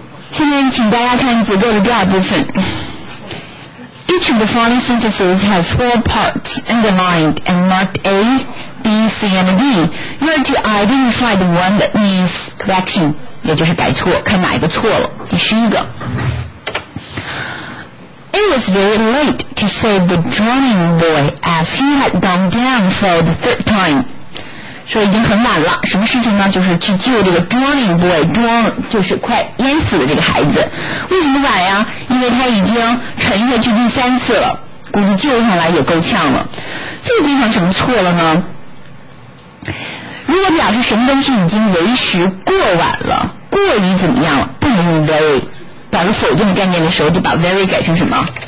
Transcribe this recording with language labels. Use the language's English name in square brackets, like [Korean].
[Chinese] 现在请大家看结构的第二部分。 [English] Each of the following sentences has four parts underlined and marked A, B, C, and D. You are to identify the one that needs correction, [Chinese] 也就是改错，看哪一个错了。第十一个 [English] ，It was very late to save the drowning boy as he had gone down for the third time. [Chinese] 说已经很晚了，什么事情呢？就是去救这个 [English] drowning boy, [Chinese] drown 就是快淹死的这个孩子。为什么晚呀？因为他已经沉下去第三次了，估计救上来也够呛了。这个地方什么错了呢？如果表示什么东西已经为时过晚了，过于怎么样了，不能用 very， 表示否定的概念的时候，就把 very 改成什么？